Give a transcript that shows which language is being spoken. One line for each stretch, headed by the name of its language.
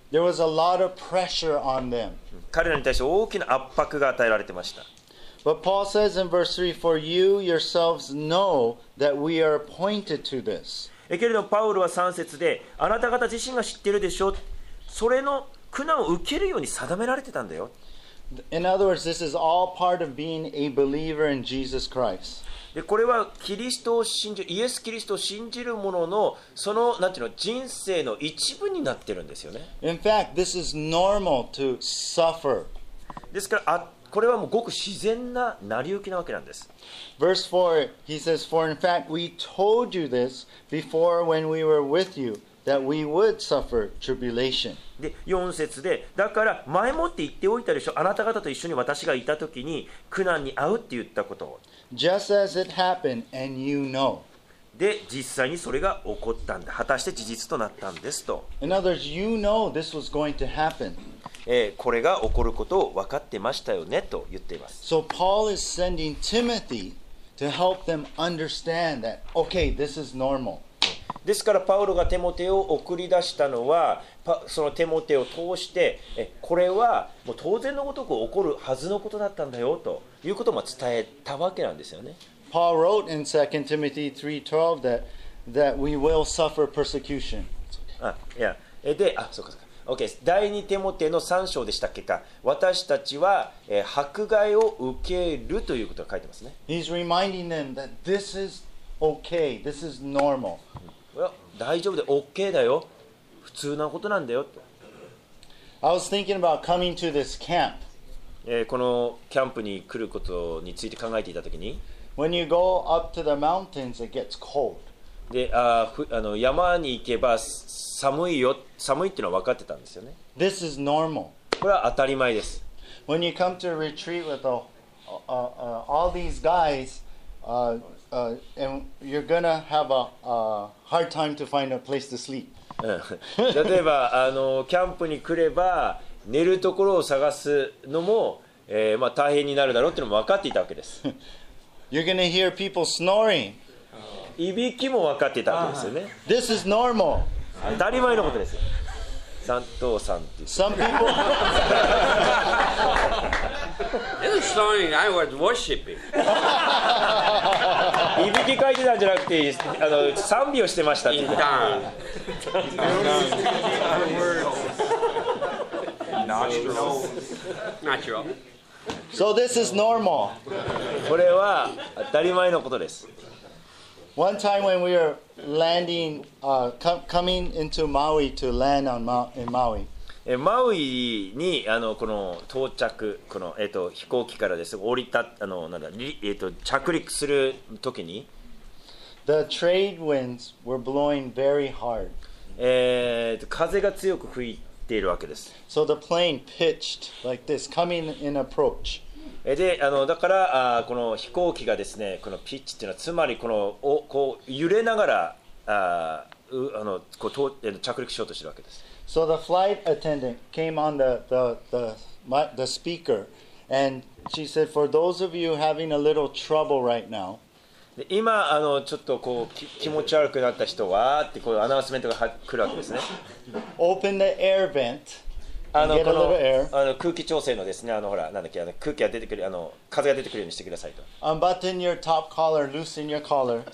English: There was a lot of pressure on them.
Japanese: 彼らに対して大きな圧迫が与えられてました。
English: But Paul says in verse 3, for you yourselves know that we are appointed to this.
Japanese: けれどパウロは3節で、あなた方自身が知ってるでしょ、それの苦難を受けるように定められてたんだよ。
English: In other words, this is all part of being a believer in Jesus Christ.
Japanese: でこれはキリストを信じ、イエス・キリストを信じる者のその、なんていうの、人生の一部になってるんですよね。
English: In fact, this is normal to suffer.
Japanese: ですから、これはもうごく自然な成り行きなわけなんです。
English: Verse 4, he says, For in fact, we told you this before when we were with you, that we would suffer tribulation.
Japanese: で、4節で、だから前もって言っておいたでしょ、あなた方と一緒に私がいたときに苦難に遭うって言ったことを。
English: Just as it happened, and you know.
Japanese: で、実際にそれが起こったんだ。果たして事実となったんですと。
English: In other words, you know this was going to happen.
Japanese: これが起こることを分かってましたよねと言っています。
English: So Paul is sending Timothy to help them understand that okay, this is normal.
Japanese: ですからパウロがテモテを送り出したのはそのテモテを通してこれはもう当然のごとく起こるはずのことだったんだよということも伝えたわけなんですよね。
English: Paul wrote in 2 Timothy 3:12 that we will suffer persecution.
Japanese: そうかそうか。Okay. 第2テモテの3章でしたっけか、私たちは、迫害を受けるということが書いてますね。
English: He's reminding them that this is okay, this is normal.
Japanese: Well, 大丈夫で OK だよ、普通なことなんだよと。
English: I was thinking about coming to this camp.
Japanese: このキャンプに来ることについて考えていたときに、
English: When you go up to the mountains, it gets cold.
Japanese: で山に行けば寒いよ、寒いっていうのは分かってたんですよね。
English: This is normal.
Japanese: これは当たり前です。
English: When you come to a retreat with all these guys, and you're gonna have a hard time to find a place to sleep.
Japanese: 例えばキャンプに来れば、寝るところを探すのも、まあ大変になるだろうっていうのも分かっていたわけです。
English: You're gonna hear people snoring.
Japanese: いびきも分かっていたわけですよね。
English: This is normal.
Japanese: 当たり前のことです。三藤さんって。
English: Some people. It was snoring. I was worshiping.
Japanese: いびきかいてたんじゃなくて、あの賛美をしてましたってい
English: う。In time. Natural. So this is normal.
Japanese: これは当たり前のことです。
English: One time when we were landing, coming into Maui to land on in Maui.
Japanese: マウイにあのこの到着この飛行機からです降りたあのなんだ着陸するときに、
English: The trade winds were blowing very hard.
Japanese: 風が強く吹いているわけです。
English: So the plane pitched like this, coming in approach.
Japanese: であのだからあこの飛行機がですねこのピッチっていうのはつまりこのおこう揺れながらあのこう到着陸しようとしているわけです。
English: So the flight attendant came on the speaker and she said, for those of you having a little trouble right now.
Japanese: 今あのちょっとこう気持ち悪くなった人はってこうアナウンスメントが来るわけですね。
English: Open the air vent.
Japanese: あのこのあの空気調整のですねあのほらなんだっけあの空気が出てくるあの風が出てくるようにしてくださいと。
English: Unbutton your top collar, loosen your collar.